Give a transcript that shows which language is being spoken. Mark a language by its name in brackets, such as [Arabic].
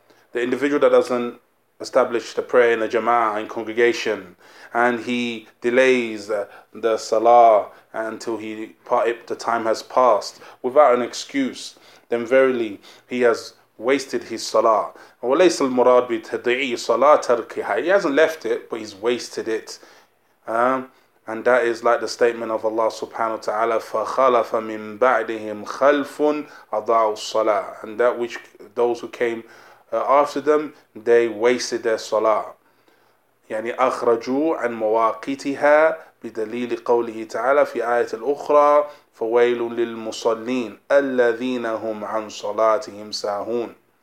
[English] The individual that doesn't establish the prayer in a jama'ah, in congregation, and he delays the salah until the time has passed without an excuse, then verily he has wasted his salah. [Arabic] وليس المراد بتضييع صلاة تركها. [English] He hasn't left it, but he's wasted it. And that is like the statement of Allah subhanahu wa ta'ala, [Arabic] فَخَلَفَ مِن بَعْدِهِمْ خَلْفٌ أَضَعُوا الصَّلَاةِ. [English] And that which those who came after them, they wasted their salah. [Arabic] يعني أخرجوا عن مواقيتها بدليل قوله تعالى في آية الأخرى فويل للمصلين الذين هم عن صلاتهم ساهون.